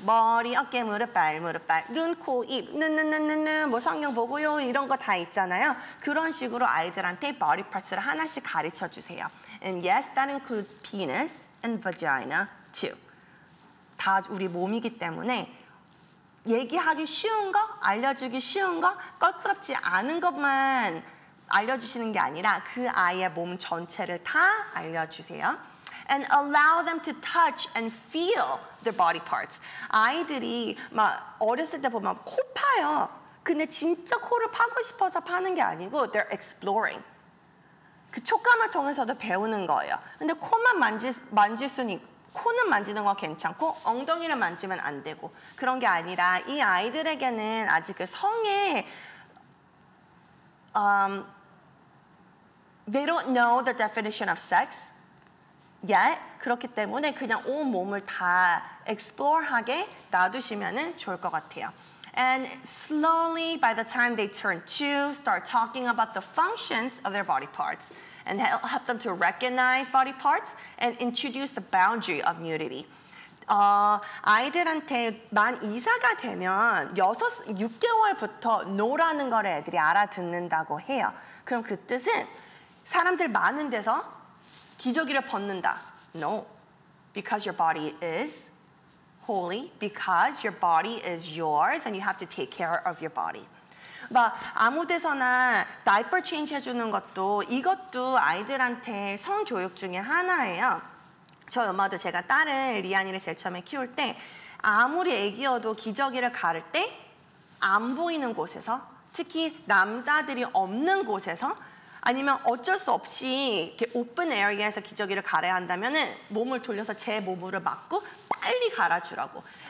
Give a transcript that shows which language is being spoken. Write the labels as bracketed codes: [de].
[ko] 머리, 어깨, 무릎, 발, 무릎, 발, 눈, 코, 입, 눈, 뭐 성경 보고요. 이런 거 다 있잖아요. 그런 식으로 아이들한테 body parts를 하나씩 가르쳐 주세요. [en] And yes, that includes penis and vagina too. [ko] 다 우리 몸이기 때문에 얘기하기 쉬운 거, 알려주기 쉬운 거, 껄끄럽지 않은 것만 알려주시는 게 아니라 그 아이의 몸 전체를 다 알려주세요. [en] And allow them to touch and feel their body parts. [ko] 아이들이 막 어렸을 때 보면 코 파요. 근데 진짜 코를 파고 싶어서 파는 게 아니고 [en] they're exploring. [ko] 그 촉감을 통해서도 배우는 거예요. 근데 코만 만질 수는 코는 만지는 거 괜찮고 엉덩이를 만지면 안 되고 그런 게 아니라 이 아이들에게는 아직 그 성에 [en] they don't know the definition of sex. [ko] yet 그렇기 때문에 그냥 온 몸을 다 explore하게 놔두시면은 좋을 것 같아요. [en] And slowly by the time they turn two, start talking about the functions of their body parts and help them to recognize body parts and introduce the boundary of nudity. [ko] 아이들한테 만 2세가 되면 6개월부터 노라는 걸 애들이 알아듣는다고 해요. 그럼 그 뜻은 사람들 많은 데서 기저귀를 벗는다. [en] No. Because your body is holy. Because your body is yours and you have to take care of your body. [ko] 막 아무 데서나 다이퍼 체인지 해주는 것도 이것도 아이들한테 성 교육 중에 하나예요. 저 엄마도 제가 딸을 리안이를 제일 처음에 키울 때 아무리 애기여도 기저귀를 갈 때 안 보이는 곳에서, 특히 남자들이 없는 곳에서, 아니면 어쩔 수 없이 이렇게 오픈 에어리어에서 기저귀를 갈아야 한다면은 몸을 돌려서 제 몸을 막고 빨리 갈아주라고.